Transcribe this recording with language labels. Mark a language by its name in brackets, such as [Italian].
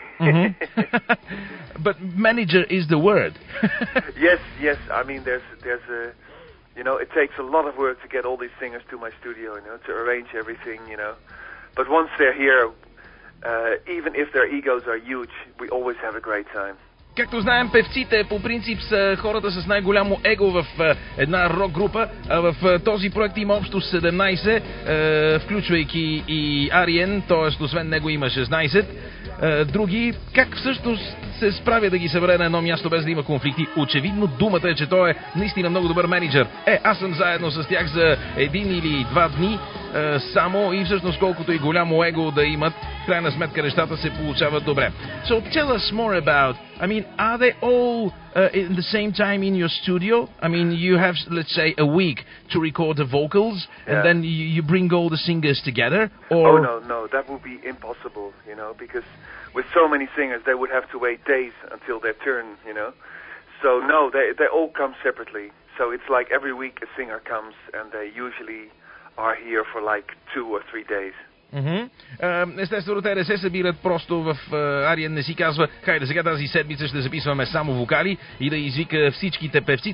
[English] Mm-hmm. But manager is the word. yes. I mean, there's a, you know, it takes a lot of work to get all these singers to my studio, you know, to arrange everything, you know. But once they're here, even if their egos are huge, we always have a great time. [Bulgarian] Както знаем, певците по принцип са хората с най-голямо его в една рок група, а в този проект има общо 17, включвайки и Ариен, т.е. освен него има 16 други. Как всъщност се справя да ги събере на едно място без да има конфликти? Очевидно думата е, че той е наистина много добър менеджер. Аз съм заедно с тях за един или два дни само и всъщност колкото и голямо его да имат, в крайна сметка нещата се получават добре. [English] So tell us more about, are they all in the same time in your studio? You have, let's say, a week to record the vocals, yeah. And then you bring all the singers together? Or... Oh, no, that would be impossible, you know, because with so many singers, they would have to wait days until their turn, you know. So, no, they all come separately. So it's like every week a singer comes and they usually are here for like 2 or 3 days. Mm-hmm. [Bulgarian] Естествено, те не се събират просто в Ариен не си казва, хайде сега тази седмица ще записваме само вокали и да извика всичките певци.